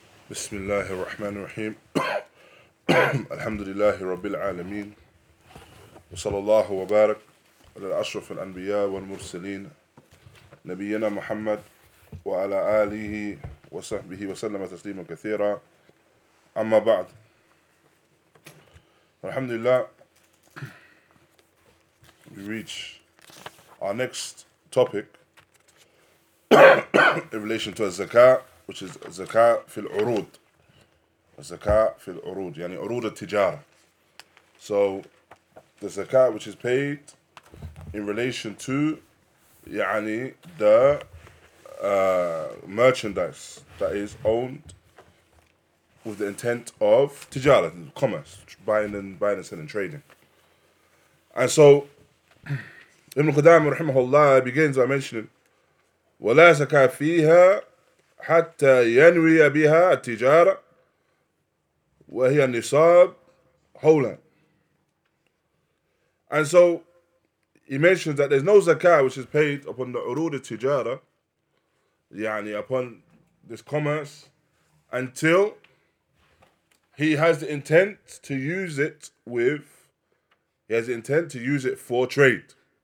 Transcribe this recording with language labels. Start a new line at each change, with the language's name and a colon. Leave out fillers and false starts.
Arabic: بسم الله الرحمن الرحيم الحمد لله رب العالمين وصلى الله وبارك على أشرف الأنبياء والمرسلين نبينا محمد وعلى آله وصحبه وسلم تسليما كثيرا أما بعد الحمد لله
English: we reach our next topic in relation to الزكاة which is zakah fil urud.
Arabic: Zakah fil urud, yani urud al-tijara.
English: So, the zakah which is paid in relation to, yani, the merchandise that is owned with the intent of tijara, commerce, buying and selling, trading. And so, Ibn Qudam, rahimahullah, begins by mentioning,
Arabic: وَلَا زَكَى فِيهَا حتى ينوي بها التجارة وهي النصاب حولا.
English: And so he mentions that there's no zakah which is paid upon the urud al-tijara, yani upon this commerce, until he has the intent to use it with, he has the intent to use it for trade.